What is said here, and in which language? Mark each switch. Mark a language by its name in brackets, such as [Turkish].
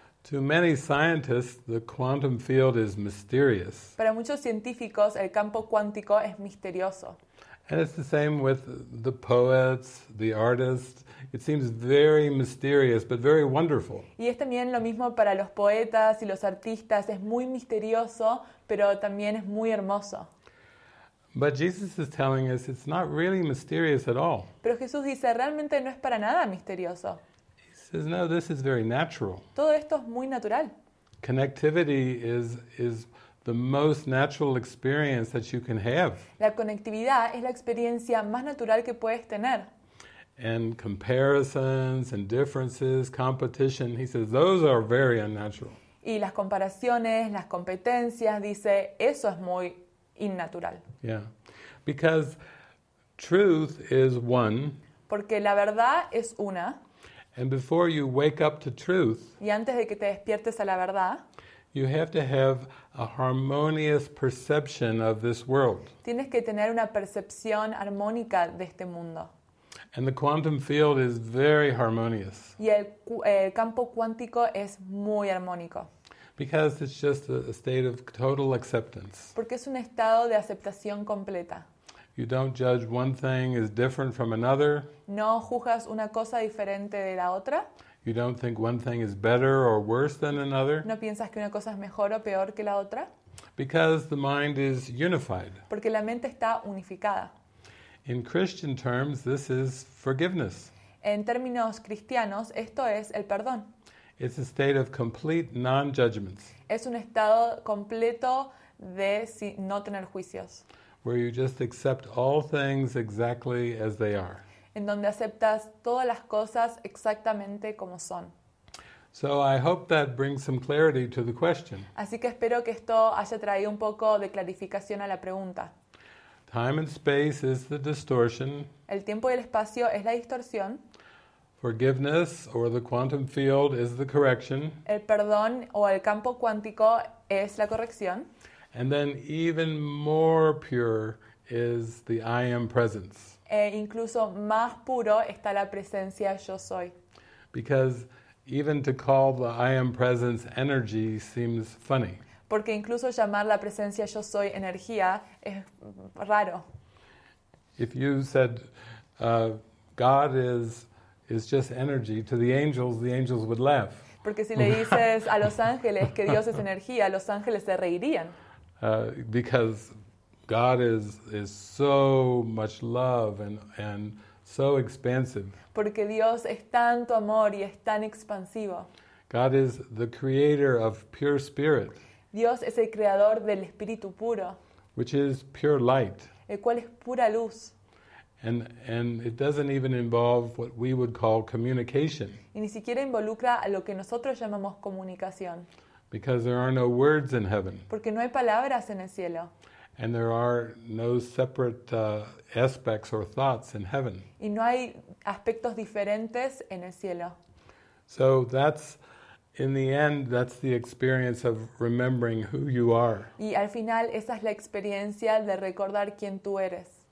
[English] To many scientists, the quantum field is mysterious. [Spanish] Para muchos científicos, el campo cuántico es misterioso. [English] And it's the same with the poets, the artists. It seems very mysterious, but very wonderful. [Spanish] Y es también lo mismo para los poetas y los artistas. Es muy misterioso, pero también es muy hermoso. [English] But Jesus is telling us it's not really mysterious at all. [Spanish] Pero Jesús dice, realmente no es para nada misterioso. [English] He says, no, this is very natural. [Spanish] Todo esto es muy natural. [English] Connectivity is the most natural experience that you can have. [Spanish] La conectividad es la experiencia más natural que puedes tener. [English] And comparisons and differences, competition, he says, those are very unnatural. [Spanish] Y las comparaciones, las competencias, dice, eso es muy innatural. [English] Yeah, because truth is one. [Spanish] Porque la verdad es una. [English] And before you wake up to truth. [Spanish] Y antes de que te despiertes a la verdad. [English] You have to have a harmonious perception of this world. [Spanish] Tienes que tener una percepción armónica de este mundo. [English] And the quantum field is very harmonious. [Spanish] Y el campo cuántico es muy armónico. [English] Because it's just a state of total acceptance. [Spanish] Porque es un estado de aceptación completa. [English] You don't judge one thing as different from another. [Spanish] No juzgas una cosa diferente de la otra. [English] You don't think one thing is better or worse than another. [Spanish] No piensas que una cosa es mejor o peor que la otra. [English] Because the mind is unified. [Spanish] Porque la mente está unificada. [English] In Christian terms, this is forgiveness. [Spanish] En términos cristianos, esto es el perdón. [English] It's a state of complete non-judgment. [Spanish] Es un estado completo de no tener juicios. [English] Where you just accept all things exactly as they are. [Spanish] En donde aceptas todas las cosas exactamente como son. [English] So I hope that brings some clarity to the question. [Spanish] Así que espero que esto haya traído un poco de clarificación a la pregunta. [English] Time and space is the distortion. [Spanish] El tiempo y el espacio es la distorsión. [English] Forgiveness or the quantum field is the correction. [Spanish] El perdón o el campo cuántico es la corrección. [English] And then even more pure is the I am presence. [Spanish] E incluso más puro está la presencia yo soy. [English] Because even to call the I am presence energy seems funny. [Spanish] Porque incluso llamar la presencia yo soy energía es raro. [English] If you said God is just energy to the angels would laugh. [Spanish] Porque si le dices a los ángeles que Dios es energía, los ángeles se reirían. [English] Because God is so much love and so expansive. [Spanish] Porque Dios es tanto amor y es tan expansivo. [English] God is the creator of pure spirit. [Spanish] Dios es el creador del espíritu puro. [English] Which is pure light. [Spanish] El cual es pura luz. [English] And it doesn't even involve what we would call communication. [Spanish] Y ni siquiera involucra a lo que nosotros llamamos comunicación. [English] Because there are no words in heaven. [Spanish] Porque no hay palabras en el cielo. [English] And there are no separate aspects or thoughts in heaven. [Spanish] Y no hay aspectos diferentes en el cielo. [English] So that's, in the end, that's the experience of remembering who you are. [Spanish] Y al final, esa es la experiencia de recordar quién tú eres.